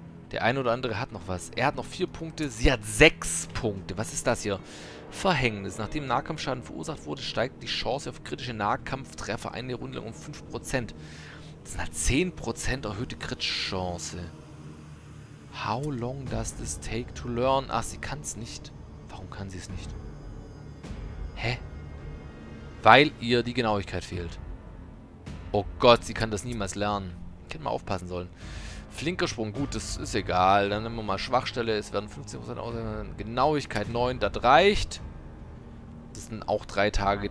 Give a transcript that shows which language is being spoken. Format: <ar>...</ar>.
<de>Der eine oder andere hat noch was. Er hat noch 4 Punkte, sie hat 6 Punkte. Was ist das hier? Verhängnis. Nachdem Nahkampfschaden verursacht wurde, steigt die Chance auf kritische Nahkampftreffer eine Runde lang um 5%. Das sind halt 10% erhöhte Crit-Chance.</de> <en>How long does this take to learn?</en> <de>Ach, sie kann es nicht. Warum kann sie es nicht? Hä? Weil ihr die Genauigkeit fehlt. Oh Gott, sie kann das niemals lernen. Ich hätte mal aufpassen sollen. Flinker Sprung, gut, das ist egal. Dann nehmen wir mal Schwachstelle. Es werden 15% ausgehen. Genauigkeit 9, das reicht. Das sind auch 3 Tage.</de>